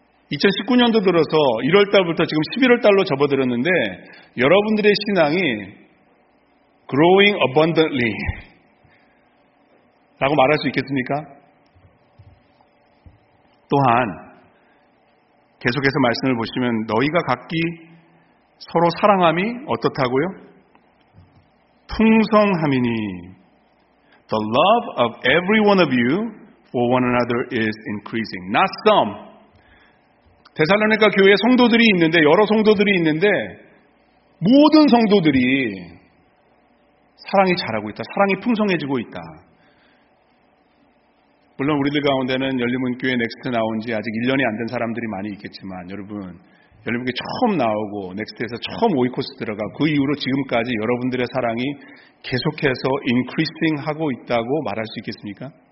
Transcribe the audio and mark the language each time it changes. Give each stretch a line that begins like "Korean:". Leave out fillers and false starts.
Korean: 2019년도 들어서 1월 달부터 지금 11월 달로 접어들었는데 여러분들의 신앙이
English: growing abundantly
Korean: 라고 말할 수 있겠습니까? 또한 계속해서 말씀을 보시면 너희가 각기 서로 사랑함이 어떻다고요? 풍성함이니
English: The love of every one of you for one another is increasing. Not some.
Korean: 데살로니가 교회에 성도들이 있는데 여러 성도들이 있는데 모든 성도들이 사랑이 자라고 있다. 사랑이 풍성해지고 있다. 물론 우리들 가운데는 열린문교회 넥스트 나온 지 아직 1년이 안 된 사람들이 많이 있겠지만 여러분, 열린문교회 처음 나오고 넥스트에서 처음 오이코스 들어가 그 이후로 지금까지 여러분들의 사랑이 계속해서 increasing 하고 있다고 말할 수 있겠습니까?